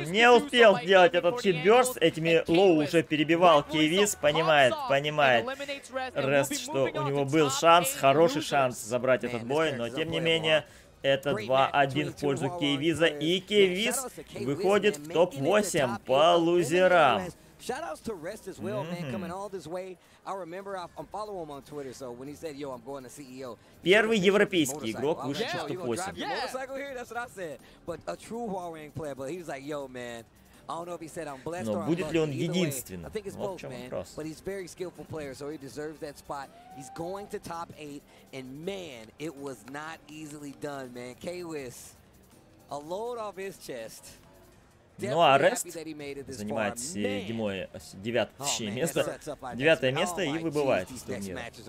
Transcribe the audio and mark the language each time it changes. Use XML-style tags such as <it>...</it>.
<ru>Не успел сделать этот хитбёрст. Этими лоу уже перебивал Кейвис. Понимает. Рест, что у него был шанс, хороший шанс забрать этот бой. Но, тем не менее, это 2-1 в пользу Кейвиза. И Кейвис выходит в топ-8 по лузерам.</ru> <en>Shoutouts to Rest as well, man, coming all this way. I remember I'm following him on Twitter, so when he said, "Yo, I'm going to CEO."</en> <ru>Первый европейский игрок вышел в топ-8.</ru> <en>Yeah, you gonna drive your motorcycle here? That's what I said. But a true Huawei player, but he was like, "Yo, man,</en> <ru>Но будет ли он единственным? Вот в чем вопрос.</ru> <en>But he's very skillful player, so he deserves that spot. He's going to top 8, and man, it was not easily done, man. K-Wiz, a load off his chest.</en> <ru>Ну а Rest занимает девятое место, и выбывает из турнира.</ru>